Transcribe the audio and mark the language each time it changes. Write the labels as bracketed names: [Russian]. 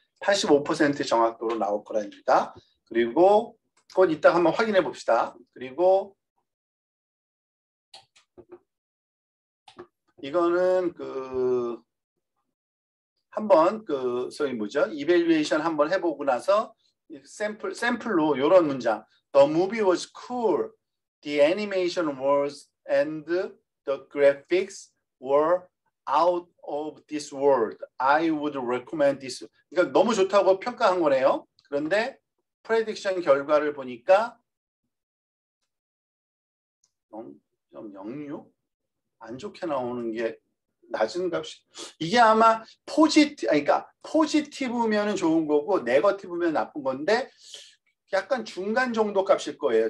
[Korean] 85% 정확도로 나올 거랍니다. 그리고 그건 이따가 한번 확인해 봅시다. 그리고 이거는 그 한번 그 소위 뭐죠? 이밸류에이션 한번 해보고 나서 샘플로 이런 문장. [English] The movie was cool. The animation was and the graphics were out of this world. I would recommend this. [Korean] 그러니까 너무 좋다고 평가한 거네요. 그런데 프레딕션 결과를 보니까 0.06? 안 좋게 나오는 게 낮은 값이. 이게 아마 그러니까 포지티브면 좋은 거고 네거티브면 나쁜 건데 약간 중간 정도 값일 거예요.